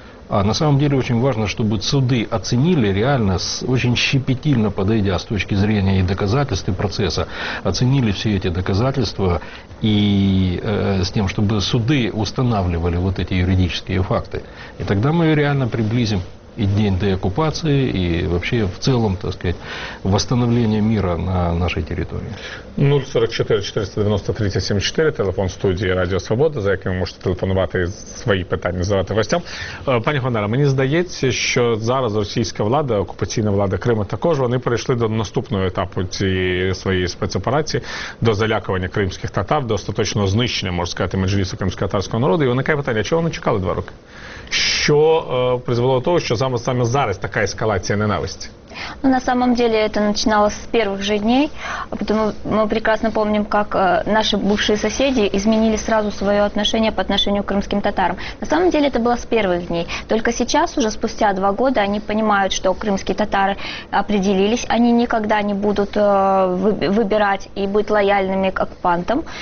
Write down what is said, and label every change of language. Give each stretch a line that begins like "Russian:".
Russian: А на самом деле очень важно, чтобы суды оценили реально, очень щепетильно подойдя с точки зрения и доказательств процесса, оценили все эти доказательства и с тем, чтобы суды устанавливали вот эти юридические факты. И тогда мы реально приблизим и день деоккупации, и вообще в целом, так сказать, восстановление мира на нашей территории.
Ukrainian: 044-490-3074, телефон студии «Радіо Свобода», за яким ви можете телефонувати і свої питання задавати гостям. Пані Гонера, мені здається, що зараз російська влада, окупаційна влада Криму також, вони перейшли до наступного етапу цієї своєї спецоперації, до залякування кримських татар, до остаточного знищення, можна сказати, Меджлісу кримсько-татарського народу. І виникає питання, чого вони чекали два роки? Що призвело до того, що саме зараз така ескалація ненависті?
Russian: Ну, на самом деле это начиналось с первых же дней, потому что мы прекрасно помним, как наши бывшие соседи изменили сразу свое отношение по отношению к крымским татарам. На самом деле это было с первых дней. Только сейчас, уже спустя два года, они понимают, что крымские татары определились, они никогда не будут выбирать и быть лояльными к оккупантам.